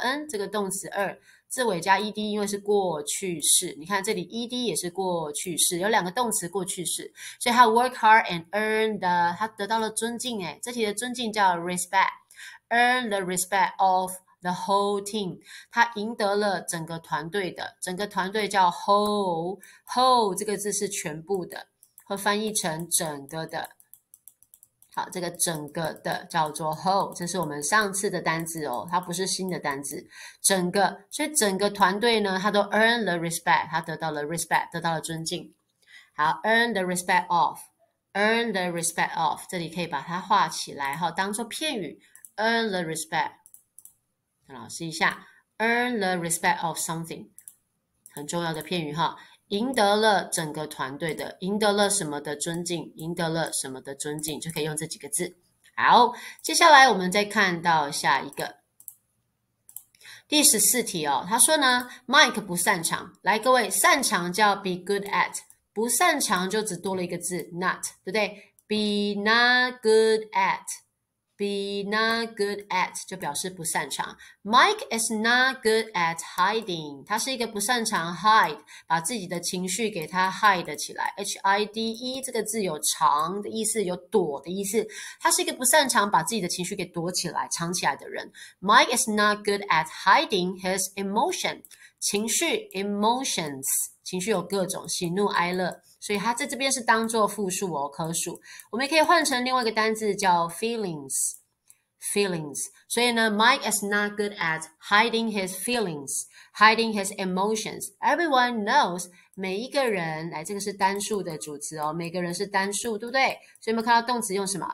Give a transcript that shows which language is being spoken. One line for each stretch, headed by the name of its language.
Chinese: 这个动词二，字尾加 ed，因为是过去式，你看这里 ed 也是过去式，有两个动词过去式，所以他
English: work hard and earn the，
Chinese: 他得到了尊敬，哎，这题的尊敬叫 respect，
English: earn the respect of the whole team，
Chinese: 他赢得了整个团队的，整个团队叫 whole 这个字是全部的，会翻译成整个的。好，这个整个的叫做 whole，这是我们上次的单字哦，它不是新的单字。整个，所以整个团队呢，他都
English: earn the respect，
Chinese: 他得到了 respect，得到了尊敬。好，
English: earn the respect of，
Chinese: earn the respect of，这里可以把它画起来哈，当做片语，earn the respect。老师一下，
English: earn the respect of something，
Chinese: 很重要的片语哈。赢得了整个团队的，赢得了什么的尊敬，赢得了什么的尊敬，就可以用这几个字。好，接下来我们再看到下一个第十四题哦。他说呢，Mike 不擅长。来，各位，擅长叫 be good at，不擅长就只多了一个字 not，对不对？
English: be not good at，
Chinese: be not good at 就表示不擅长。
English: Mike is not good at hiding。
Chinese: 他是一个不擅长 hide，把自己的情绪给他 hide 起来。 hide 这个字有藏的意思，有躲的意思。他是一个不擅长把自己的情绪给躲起来、藏起来的人。
English: Mike is not good at hiding his emotion。
Chinese: 情绪 emotions，情绪有各种喜怒哀乐，所以他在这边是当做复数哦，可数。我们也可以换成另外一个单字叫 feelings。
English: Feelings，
Chinese: 所以呢，
English: Mike is not good at hiding his feelings, hiding his emotions. Everyone knows，
Chinese: 每一个人，来，这个是单数的主词哦，每个人是单数，对不对？所以我们看到动词用什么？